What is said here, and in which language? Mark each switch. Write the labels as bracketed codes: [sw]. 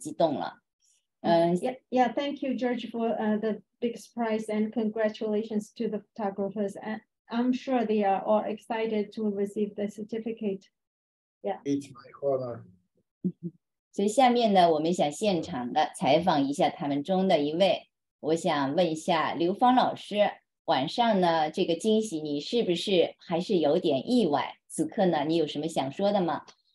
[zh] 谢谢郭晨女士，今天非常幸福参加这次的颁奖典礼的活动。也谢谢非常的感谢Djordje先生给了我们这样的一个大惊喜，这真的是大奖之外的意外之喜了，恭喜获此殊荣的六位摄影师，我想呢此刻他们的心情也一定很激动了。Yeah, [en] thank you George for the biggest prize and congratulations to the photographers. I'm sure they are all excited to receive the certificate. Yeah. It's my honor. [zh] 所以下面呢，我们想现场的采访一下他们中的一位。我想问一下刘芳老师，晚上呢这个惊喜你是不是还是有点意外？此刻呢，你有什么想说的吗？